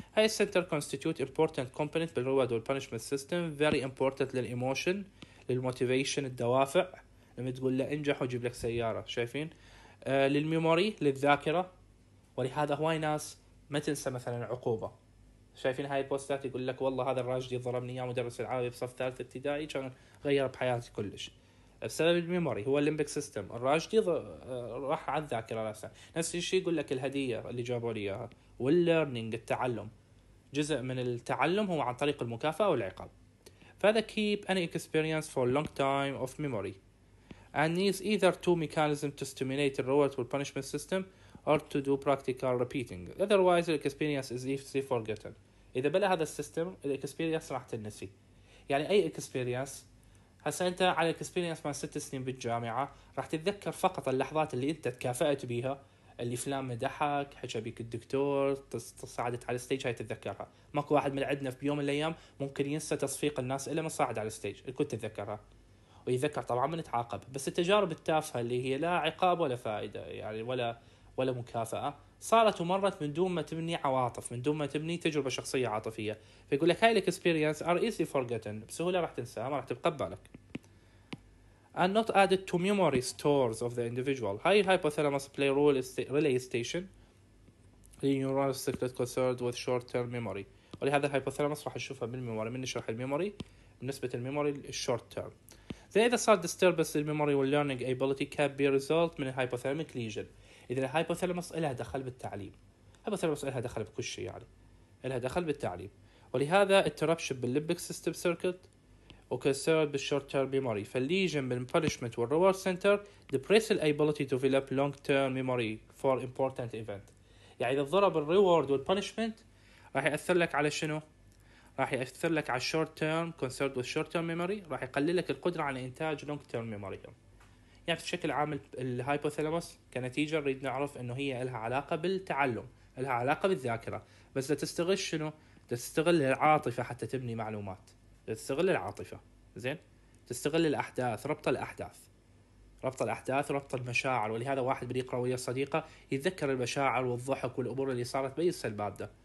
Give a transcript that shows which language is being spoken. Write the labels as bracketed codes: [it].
[ar] هاي السنتر [en] constitute important component [ar] بالreward والpunishment system، [en] very important [ar] للemotion، للmotivation الدوافع، لما تقول له انجح وجيب لك سيارة، شايفين؟ للميموري للذاكرة، ولهذا هواي ناس ما تنسى مثلا عقوبة، شايفين هاي البوستات يقول لك والله هذا الراجل ضربني يا مدرس العربي بصف ثالث ابتدائي كان غير بحياتي كلش بسبب الميموري، هو الليمبك سيستم، الراشدي راح على الذاكرة نفسها. نفس الشيء يقول لك الهدية اللي جابوا لي اياها، والليرنينج التعلم، جزء من التعلم هو عن طريق المكافأة والعقاب. [en] فهذا keep any experience for long time of memory and needs either two mechanisms to stimulate the reward or punishment system or to do practical repeating otherwise the experience is easily forgotten. [ar] إذا بلا هذا السيستم الـ experience راح تنسي. يعني أي experience، هسا انت على الاكسبيرينس مال 6 سنين بالجامعه راح تتذكر فقط اللحظات اللي انت تكافأت بيها، اللي فلان مدحك، حكى بيك الدكتور، تصعدت على الستيج، هاي تتذكرها. ماكو واحد من عندنا في بيوم من الايام ممكن ينسى تصفيق الناس الا ما صعد على الستيج، الكل تتذكرها ويتذكر طبعا من تعاقب. بس التجارب التافهه اللي هي لا عقاب ولا فائده يعني ولا مكافاه، صارت ومرت من دون ما تبني عواطف، من دون ما تبني تجربة شخصية عاطفية، فيقول لك هاي [en] الاكسبيرينس are easy forgotten, [ar] بسهولة راح تنساها، ما راح تبقى ببالك. [en] And not added to memory stores of the individual. هاي hypothalamus play role relay station neural circuit concerned with short term memory. [ar] ولهذا hypothalamus راح نشوفها بالميموري، من نشرح الميموري بالنسبة الميموري short term. [en] زي إذا صار disturbance الميموري والlearning ability can be result من hypothalamic lesion. [ar] إذا الهايبوثالامس إلها دخل بالتعليم، هايبوثالامس إلها دخل بكل شيء، يعني إلها دخل بالتعليم، ولهذا interruption بالlimbic system circuit وكسرت بالshort term memory. [en] فالليجن بالpunishment والreward center depresses the ability to develop long term memory for important event. [ar] يعني إذا ضرب الreward والpunishment راح يأثر لك على شنو؟ راح يأثر لك على short term [en] concerned with short term memory، [ar] راح يقلل لك القدرة على إنتاج long term memory. يعني بشكل عام الهايبوثالاموس كنتيجة نريد نعرف انه هي لها علاقة بالتعلم، لها علاقة بالذاكرة، بس تستغل شنو؟ تستغل العاطفة حتى تبني معلومات، تستغل العاطفة، زين؟ تستغل الأحداث، ربط الأحداث، ربط الأحداث، ربط المشاعر، ولهذا واحد بيقرأ ويا صديقة يتذكر المشاعر والضحك والأمور اللي صارت بيسه البادة،